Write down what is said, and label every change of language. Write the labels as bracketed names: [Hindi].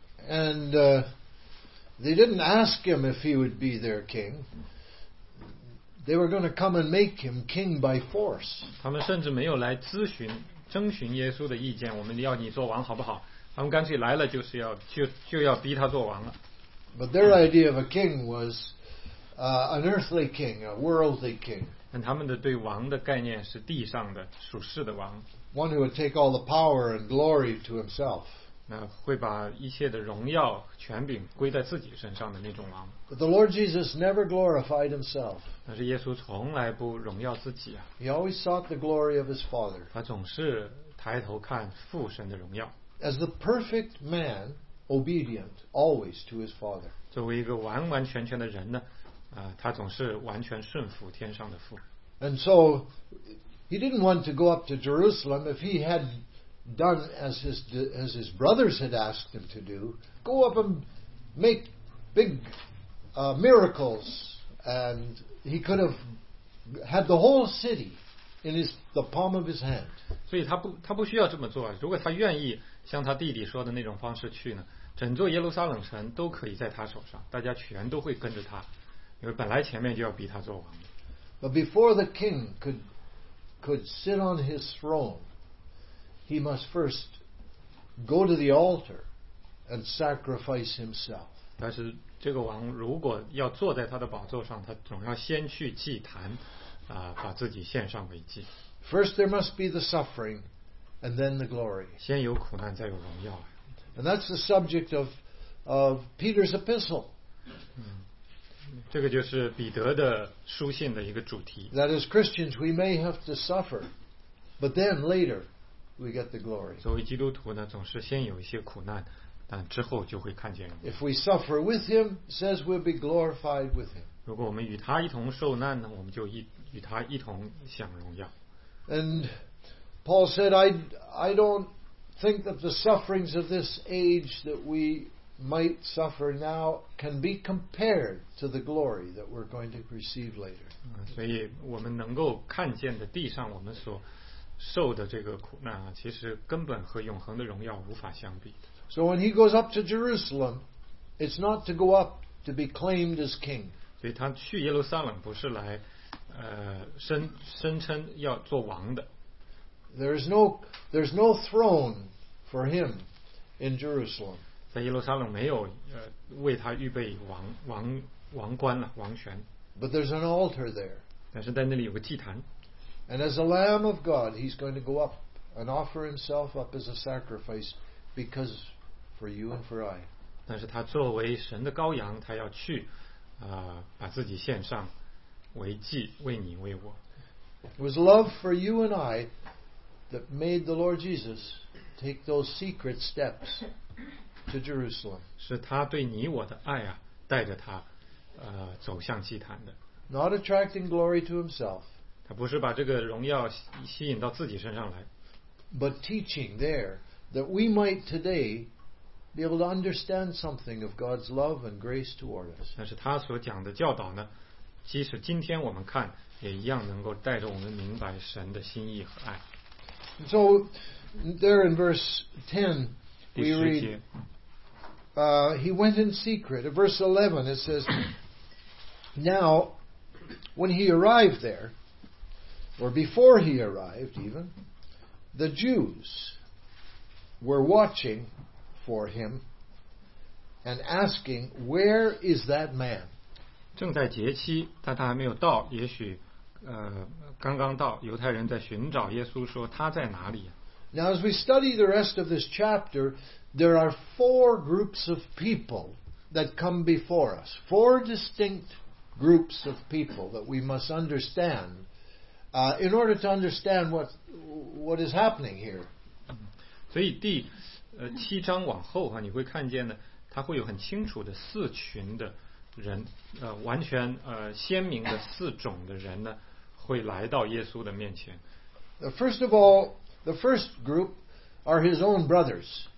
[English] And they didn't ask him if he would be their king. They were going to come and make him king by force. [Chinese] 他们甚至没有来咨询。征询耶稣的意见，我们要你做王好不好？他们干脆来了就是要就要逼他做王了。 [English] But their idea of a king was an earthly king, a worldly king. [Chinese] 但他们的对王的概念是地上的属世的王。 [English] One who would take all the power and glory to himself. [Chinese] 那会把一切的荣耀权柄归在自己身上的那种王。 [English] But the Lord Jesus never glorified himself. [Chinese] 但是耶稣从来不荣耀自己啊。 [English] He always sought the glory of his Father. [Chinese] 他总是抬头看父神的荣耀。 [English] As the perfect man, obedient always to his Father. [Chinese] 作为一个完完全全的人呢，他总是完全顺服天上的父。 [English] And so he didn't want to go up to Jerusalem if he had done as his brothers had asked him to do. Go up and make big miracles and. He could have had the whole city in the palm of his hand. [Chinese] 所以他不需要这么做。如果他愿意像他弟弟说的那种方式去呢，整座耶路撒冷城都可以在他手上，大家全都会跟着他，因为本来前面就要逼他做王。 [English] But before the king could sit on his throne, he must first go to the altar and sacrifice himself. [Chinese] 但是这个王如果要坐在他的宝座上，他总要先去祭坛，把自己献上为祭。 [English] First there must be the suffering, and then the glory. [Chinese] 先有苦难，再有荣耀。 [English] And that's the subject of Peter's epistle. [Chinese] 这个就是彼得的书信的一个主题。 [English] That as Christians we may have to suffer, but then later we get the glory. [Chinese] 作为基督徒呢，总是先有一些苦难。之后就会看见。 [English] If we suffer with him, says we'll be glorified with him. [Chinese] 如果我们与他一同受难呢，我们就与他一同享荣耀。 [English] And Paul said, I don't think that the sufferings of this age that we might suffer now can be compared to the glory that we're going to receive later. [Chinese] 所以我们能够看见的地上我们所受的这个苦难啊，其实根本和永恒的荣耀无法相比。 [English] So when he goes up to Jerusalem, it's not to go up to be claimed as king. [Chinese] 所以他去耶路撒冷不是来，声称要做王的。 [English] There's no throne for him in Jerusalem. [Chinese] 在耶路撒冷没有为他预备王冠了，王权。 [English] But there's an altar there. [Chinese] 但是在那里有个祭坛。 [English] And as a Lamb of God, he's going to go up and offer himself up as a sacrifice because for you and for I. [Chinese] 但是他作为神的羔羊，他要去，把自己献上为祭，为你为我。 [English] It was love for you and I that made the Lord Jesus take those secret steps to Jerusalem. [Chinese] 是他对你我的爱啊，带着他，走向祭坛的。 [English] Not attracting glory to himself. [Chinese] 他不是把这个荣耀吸引到自己身上来。 [English] But teaching there that we might today be able to understand something of God's love and grace toward us. [Chinese] 但是他所讲的教导呢，即使今天我们看，也一样能够带着我们明白神的心意和爱。 [English] So there in verse 10, we read, he went in secret. In verse 11, it says, now, when he arrived there, or before he arrived even, the Jews were watching for him and asking, where is that man? [Chinese] 正在节期，但他还没有到，也许刚刚到，犹太人在寻找耶稣，说他在哪里。 [English] Now as we study the rest of this chapter, there are four groups of people that come before us. Four distinct groups of people that we must understand in order to understand what is happening here. [Chinese] 所以第七章往后你会看见呢，他会有很清楚的四群的人，完全鲜明的四种的人呢，会来到耶稣的面前。 [English] First of all, the first group are his own brothers.